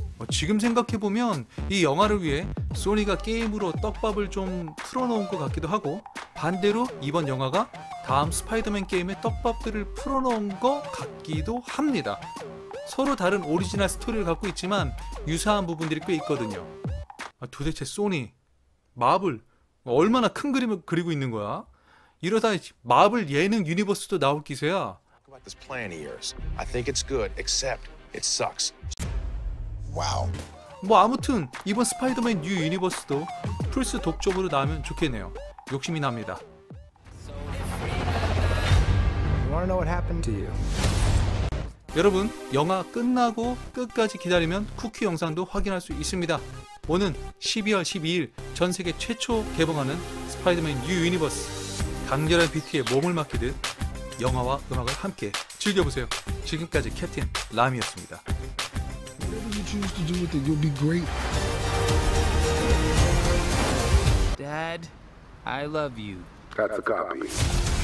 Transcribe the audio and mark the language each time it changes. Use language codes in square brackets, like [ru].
[ko] 지금 생각해보면 이 영화를 위해 소니가 게임으로 떡밥을 좀 풀어놓은 것 같기도 하고 반대로 이번 영화가 다음 스파이더맨 게임의 떡밥들을 풀어놓은 것 같기도 합니다. 서로 다른 오리지널 스토리를 갖고 있지만 유사한 부분들이 꽤 있거든요. 도대체 소니, 마블 얼마나 큰 그림을 그리고 있는 거야? 이러다 마블 예능 유니버스도 나올 기세야. [en] I think it's good, except it sucks. [ko] 와우. 뭐 아무튼 이번 스파이더맨 뉴 유니버스도 플스 독점으로 나오면 좋겠네요. 욕심이 납니다. [en] You wanna know what happened to you? [ko] 여러분, 영화 끝나고 끝까지 기다리면 쿠키 영상도 확인할 수 있습니다. 오는 12월 12일 전 세계 최초 개봉하는 스파이더맨 뉴 유니버스. 강렬한 비트에 몸을 맡기듯 영화와 음악을 함께 즐겨보세요. 지금까지 캡틴 람이었습니다. [en] Whatever you choose to do with it, you'll be great. Dad, I love you. That's a copy.